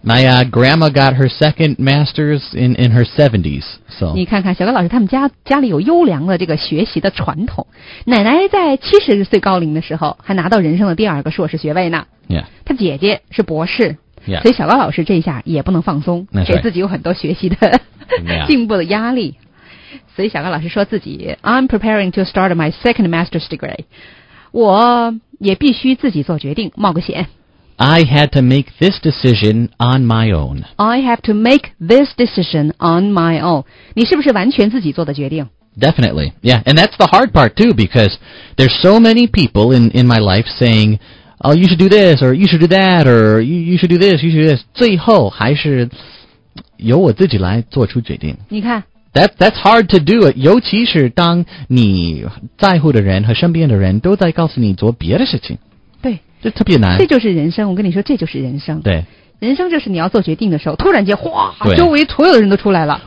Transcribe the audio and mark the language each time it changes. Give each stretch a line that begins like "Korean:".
English: My grandma got her second master's in her 70s. So
Chinese: 你看看小高老师他们家里有优良的这个学习的传统。奶奶在70岁高龄的时候还拿到人生的第二个硕士学位呢。
English: Yeah.
Chinese: 她姐姐是博士。
English: Yeah.
Chinese: 所以小高老师这下也不能放松、
English: That's、
Chinese: 给、
English: right.
Chinese: 自己有很多学习的、
English: Yeah.
Chinese: 进步的压力。所以小高老师说自己
English: I'm preparing to start my second master's degree.
Chinese: 我也必须自己做决定冒个险。
English: I had to make this decision on my own. I have to make this decision on my own.
Chinese: 你是不是完全自己做的决定?
English: Definitely. Yeah, and that's the hard part too, because there's so many people in my life saying, oh, you should do this, or you should do that, or you should do this, you should do this.
Chinese: 最后还是由我自己来做出决定。你看。
English: That's hard to do,
Chinese: 尤其是当你在乎的人和身边的人都在告诉你做别的事情。对。这特别难，这就是人生。我跟你说，这就是人生。对，人生就是你要做决定的时候，突然间哗，周围所有的人都出来了。